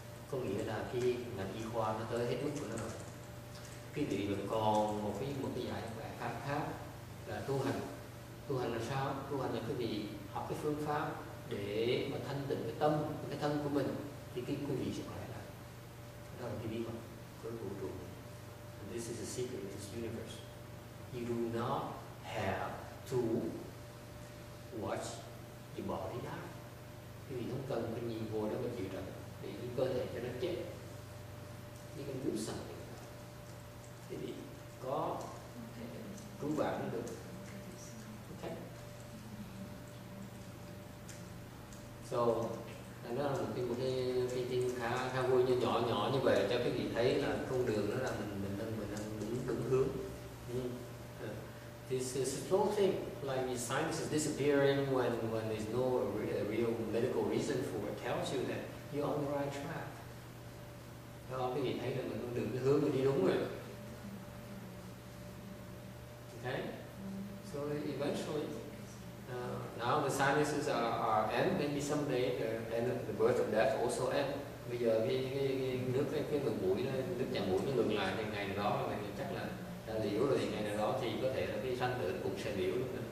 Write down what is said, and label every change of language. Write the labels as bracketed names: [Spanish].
[Vietnamese] Có nghĩa là khi ngành y khoa nó tới hết mức của nó rồi, quý vị vẫn còn một cái giải pháp khác là tu hành. Tu hành là sao? Tu hành là quý vị học cái phương pháp để mà thanh tịnh cái tâm, cái thân của mình, thì cái quý vị sẽ khỏe lại. Đó là cái bí mật của vũ trụ. [English] And this is the secret of this universe. You do not have to watch your body die. [Vietnamese] Quý vị không cần phải nhìn vô để mà chịu trận, để cái cơ thể cho nó chết. [English] You can do something. [Vietnamese] Có cứu bạn cũng được. Okay. So, đây là một cái tin khá vui như nhỏ như vậy cho quý vị thấy là con đường đó là mình đang đúng hướng. [English] This is a small thing, like the signs of disappearing when there's no real medical reason for it tells you that you're on the right track. [Vietnamese] Đó, quý vị thấy là mình con đường cái hướng mình đi đúng rồi. [English] Okay, so eventually, now the sinuses are end. Maybe someday the end of the birth of death also end. [Vietnamese] Bây giờ cái nước cái đường mũi nó nước nhà mũi nó ngừng lại thì ngày đó mình chắc là đã liễu rồi, ngày nào đó thì có thể là cái sanh tử cũng sẽ liễu luôn.